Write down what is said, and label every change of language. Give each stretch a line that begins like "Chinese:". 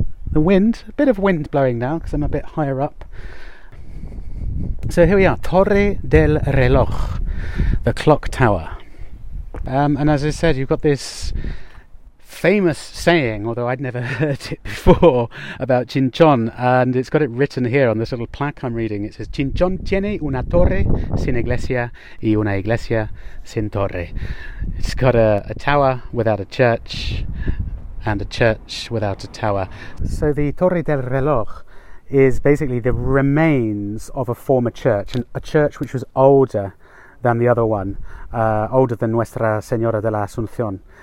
English: The wind, a bit of wind blowing now because I'm a bit higher up. So here we are, Torre del Reloj, the clock tower. And as I said, you've got this famous saying, although I'd never heard it before, about Chinchón, and it's got it written here on this little plaque I'm reading. It says,
Spanish: Chinchón tiene una torre sin iglesia y una iglesia sin torre.
English: It's got a tower without a church and a church without a tower. So the Torre del Reloj is basically the remains of a former church, and a church which was older than the other one, older than Nuestra Señora de la Asunción.